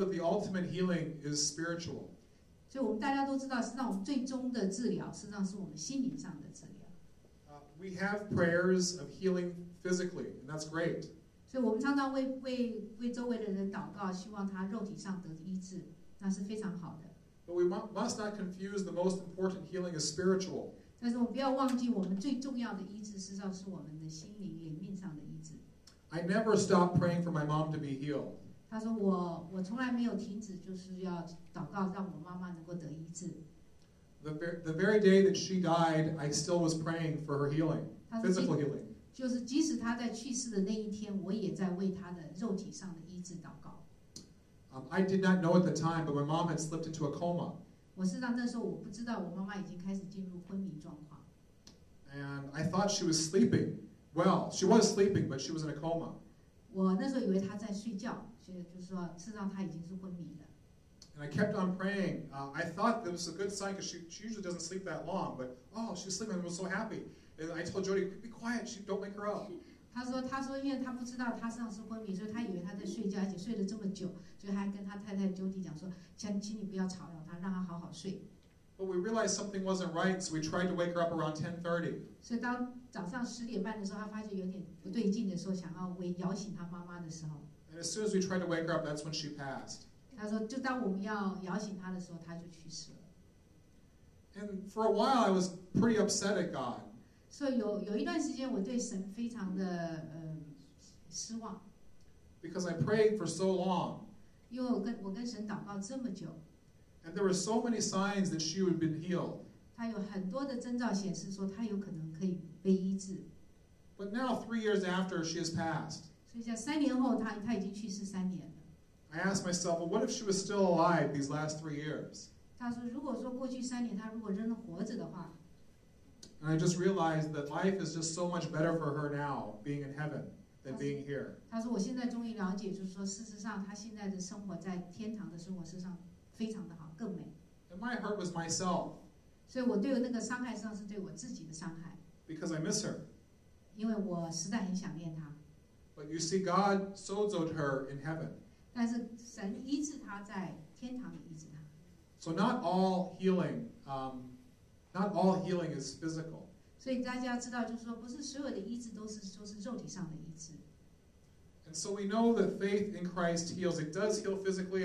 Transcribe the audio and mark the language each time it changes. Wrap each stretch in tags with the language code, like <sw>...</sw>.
<en>we have to know that the ultimate healing is spiritual.</en> <zh>所以我们大家都知道，实际上我们最终的治疗，实际上是我们心灵上的治疗。</zh> <en>We have prayers of healing physically, and that's great.</en> <zh>所以我们常常为周围的人祷告，希望他肉体上得医治，那是非常好的。</zh> <en>But we must not confuse the most important healing as spiritual.</en> <zh>但是我们不要忘记，我们最重要的医治，实际上是我们的心灵、灵命上的医治。</zh> <en>I never stop praying for my mom to be healed.</en> <zh>他说我从来没有停止，就是要祷告，让我妈妈能够得医治。</zh> <en>The very day that she died, I still was praying for her healing, physical healing.</en> <zh>就是即使她在去世的那一天，我也在为她的肉体上的医治祷告。I</zh> <en>did not know at the time, but my mom had slipped into a coma.</en> <zh>我事实上那时候我不知道，我妈妈已经开始进入昏迷状况。</zh> <en>And I thought she was sleeping. Well, she was sleeping, but she was in a coma.</en> <zh>我那时候以为他在睡觉，所以就是说，事实上他已经是昏迷的。</zh> <en>And I kept on praying. I thought it was a good sign because she usually doesn't sleep that long. But oh, she's sleeping and was so happy. And I told Jody, be quiet. She don't wake her up.</en> <zh>他说因为他不知道他身上是昏迷，所以他以为他在睡觉，而且睡了这么久，所以他跟他太太 Jody 讲说，请你不要吵扰他，让他好好睡。</zh> <en>But we realized something wasn't right, so we tried to wake her up around 10:30.</en> <zh>所以当早上十点半的时候，他发现有点不对劲的时候，想要摇醒他妈妈的时候。</zh> <en>And as soon as we tried to wake her up, that's when she passed.</en> <zh>他说，就当我们要摇醒他的时候，他就去世了。</zh> <en>And for a while, I was pretty upset at God.</en> <zh>所以有一段时间，我对神非常的失望。</zh> <en>Because I prayed for so long.</en> <zh>因为我跟神祷告这么久。</zh> <en>And there were so many signs that she would have been healed.</en> <zh>她有很多的征兆显示说她有可能可以被医治。</zh> <en>But now, 3 years after, she has passed.</en> <zh>所以像三年后，她已经去世三年了。</zh> <en>I asked myself, well, what if she was still alive these last 3 years?</en> <zh>她说，如果说过去三年她如果仍然活着的话。</zh> <en>And I just realized that life is just so much better for her now, being in heaven, than being here.</en> <zh>她说，我现在终于了解，就是说，事实上她现在的生活在天堂的生活事实上。非常的好，更美。</zh> <en>And my hurt was myself.</en> <zh>所以我对那个伤害实际上是对我自己的伤害。</zh> <en>Because I miss her.</en> <zh>因为我实在很想念她。</zh> <en>But you see, God sozoed her in heaven.</en> <zh>但是神医治她在天堂里医治她。</zh> <en>So not all healing, not all healing is physical.</en> <zh>所以大家知道，就是说，不是所有的医治都是肉体上的医治。</zh> <en>And so we know that faith in Christ heals. It does heal physically.</en>